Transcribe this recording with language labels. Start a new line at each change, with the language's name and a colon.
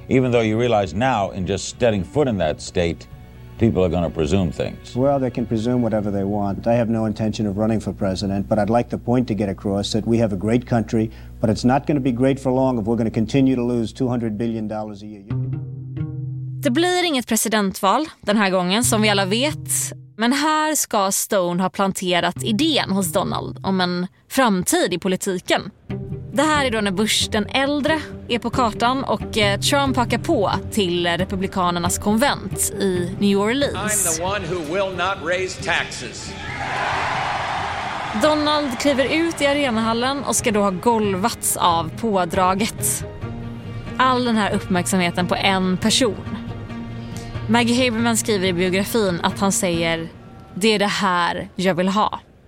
English: Even though you realize now, in just setting foot in that state, people are going to presume things. Well, they can presume whatever they want. I have no intention of running for president, but I'd like the point to get across that we have a great country, but it's not going to be great for long if we're going to continue to lose $200 billion a year.
Swedish: Det blir inget presidentval den här gången, som vi alla vet. Men här ska Stone ha planterat idén hos Donald om en framtid i politiken. Det här är då när Bush den äldre är på kartan och Trump packar på till republikanernas konvent i New Orleans.
English: I'm the one who will not raise taxes.
Swedish: Donald kliver ut i arenahallen och ska då ha golvats av pådraget. All den här uppmärksamheten på en person. Maggie Haberman skriver i biografin att han säger: "Det är det här jag vill ha."